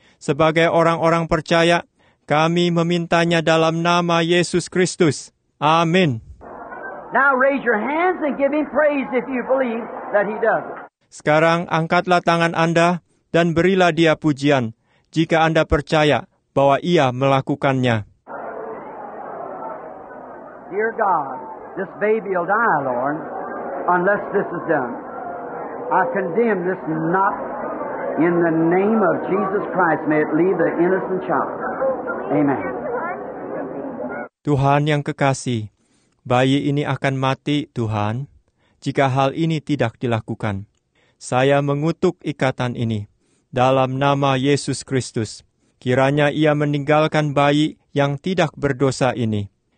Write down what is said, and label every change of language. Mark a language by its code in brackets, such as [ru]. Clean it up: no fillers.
[id] Sebagai orang-orang percaya, kami memintanya dalam nama Yesus Kristus. Amin. [en] Now raise your hands and give him praise if you believe that he does. [id] Sekarang angkatlah tangan Anda dan berilah dia pujian jika Anda percaya bahwa ia melakukannya. [en] Dear God, this baby will die, Lord, unless this is done. I condemn this knot in the name of Jesus Christ. May it leave the innocent child. Amen. [id] Tuhan yang kekasih, bayi ini akan mati, Tuhan, jika hal ini tidak dilakukan. Saya mengutuk ikatan ini dalam nama Yesus Kristus. Kiranya ia meninggalkan bayi yang tidak berdosa ini.